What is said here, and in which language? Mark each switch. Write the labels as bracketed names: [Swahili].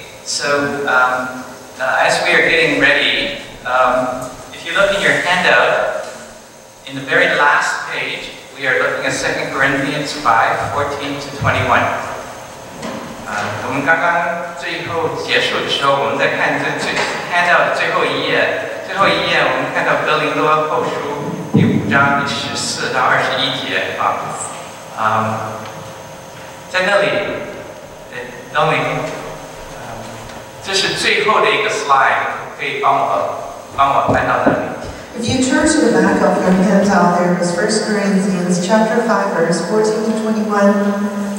[English] As we are getting ready, if you look in your handout, in the very last page, we are looking at 2 Corinthians 5, 14 to 21. [Chinese] 我们刚刚最后结束的时候，我们在看这最handout的最后一页，最后一页我们看到 哥林多后书第5章第14到21节啊，在那里，这是最后的一个 slide， 可以帮我搬到那里。 [English] If you turn to the back of your handout, there is 1 Corinthians chapter 5, verse 14 to 21.